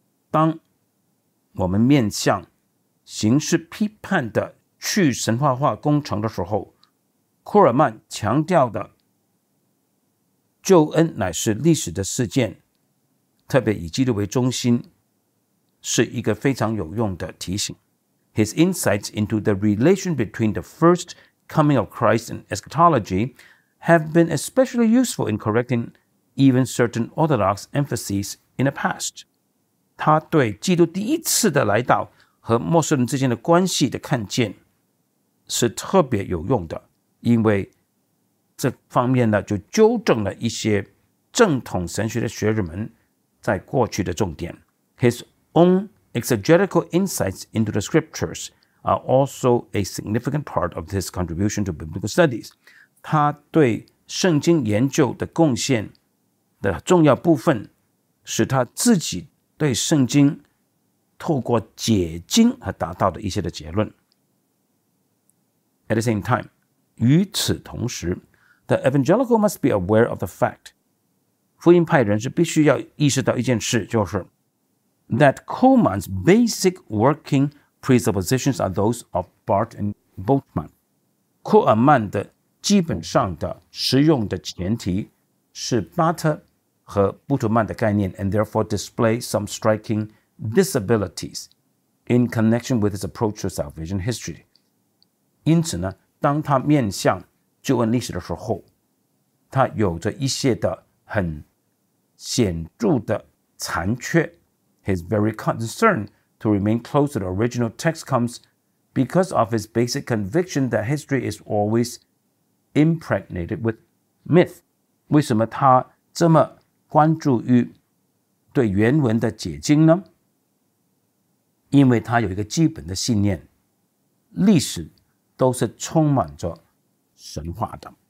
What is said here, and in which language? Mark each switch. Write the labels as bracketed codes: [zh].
[zh] 当我们面向形式批判的去神话化工程的时候，库尔曼强调的救恩乃是历史的事件，特别以基督为中心，是一个非常有用的提醒。 [en] His insights into the relation between the first coming of Christ and eschatology have been especially useful in correcting even certain Orthodox emphases in the past. [zh] 他对基督第一次的来到和末世人之间的关系的看见是特别有用的，因为这方面呢就纠正了一些正统神学的学者们在过去的重点。 [en] His own exegetical insights into the scriptures are also a significant part of his contribution to biblical studies. [zh] 他对圣经研究的贡献的重要部分是他自己对圣经透过解经而达到的一些的结论。 [en] At the same time, [zh] 与此同时， [en] the evangelical must be aware of the fact, [zh] 福音派人士必须要意识到一件事，就是 [en] that Kuhlmann's basic working presuppositions are those of Barth and Bultmann. [zh] 库尔曼的基本上的实用的前提是巴特和布特曼的概念， [en] and therefore display some striking disabilities in connection with his approach to salvation history. [zh] 因此呢，当他面向旧恩历史的时候，他有着一些的很显著的残缺。 [en] His very concern to remain close to the original text comes because of his basic conviction that history is always impregnated with myth. [zh] 为什么他这么关注于对原文的解经呢？因为他有一个基本的信念，历史都是充满着神话的。